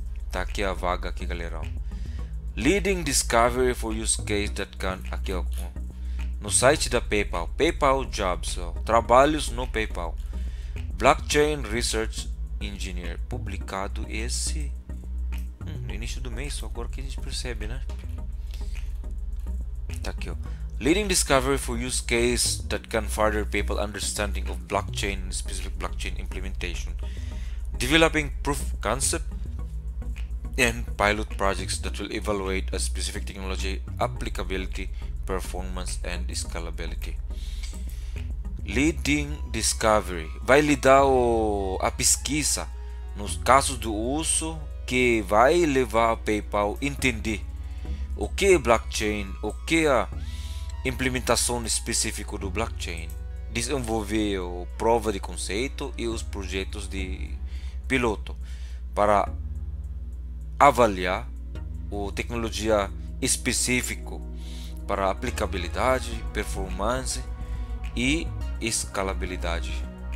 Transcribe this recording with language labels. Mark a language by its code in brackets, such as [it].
[pt] Tá aqui a vaga aqui, galera. [en] Leading discovery for use case that can, [pt] aqui ó, no site da PayPal, PayPal Jobs, ó, trabalhos no PayPal, Blockchain Research Engineer, publicado esse no início do mês, só agora que a gente percebe, né? Tá aqui, ó. [en] Leading discovery for use case that can further people understanding of blockchain, specific blockchain implementation. Developing proof concept and pilot projects that will evaluate a specific technology applicability, performance and scalability. Leading discovery [pt] vai lidar a pesquisa nos casos do uso que vai levar a PayPal a entender o que é blockchain, o que é a implementação específica do blockchain, desenvolver a prova de conceito e os projetos de piloto para avaliar a tecnologia específica para aplicabilidade, performance e escalabilidade.